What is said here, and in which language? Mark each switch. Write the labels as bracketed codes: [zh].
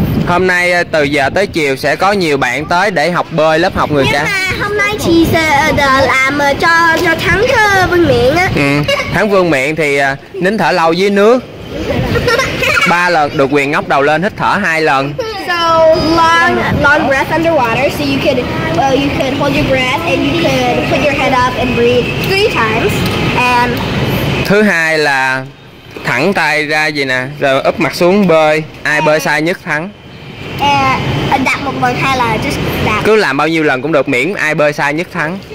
[vi] Hôm nay từ giờ tới chiều sẽ có nhiều bạn tới để học bơi lớp học người cá. Nhưng mà hôm nay chị sẽ làm cho Thắng Vương Miện á. Thắng Vương Miện thì nín thở lâu dưới nước 3 lần, được quyền ngóc đầu lên hít thở 2 lần. [en] So long breath underwater, so you could hold your breath and you could put your head up and breathe 3 times. And [vi] thứ hai là thẳng tay ra vậy nè, rồi úp mặt xuống bơi, ai bơi sai nhất thắng. Đạp một lần hay là just đạp. Cứ làm bao nhiêu lần cũng được, miễn ai bơi sai nhất thắng.